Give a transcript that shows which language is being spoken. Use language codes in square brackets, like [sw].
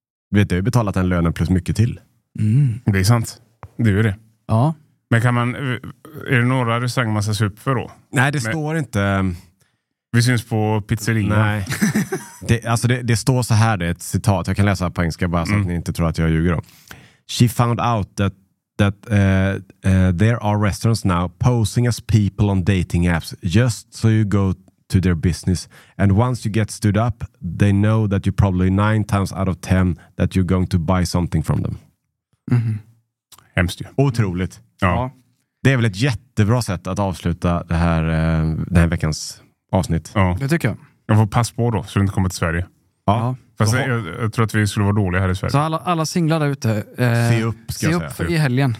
[sv] Du vet, du har betalat den lönen plus mycket till. Mm. Det är sant. Det är ju det. Ja. Men kan man... Är det några restaurang man ska se upp för då? Nej, det står inte... Vi syns på pizzeria. Nej. Det, alltså det står så här, det är ett citat. Jag kan läsa på engelska bara så att ni inte tror att jag ljuger då. [en] She found out that there are restaurants now posing as people on dating apps just so you go to their business. And once you get stood up, they know that you probably 9 times out of 10 that you're going to buy something from them. Mm-hmm. [sv] Hemskt ju. Otroligt. Ja. Det är väl ett jättebra sätt att avsluta det här, den här veckans... avsnitt. Ja. Det tycker jag. Jag får pass på då, så du inte kommer till Sverige. Ja. Fast jag tror att vi skulle vara dåliga här i Sverige. Så alla singlar där ute, se upp i helgen.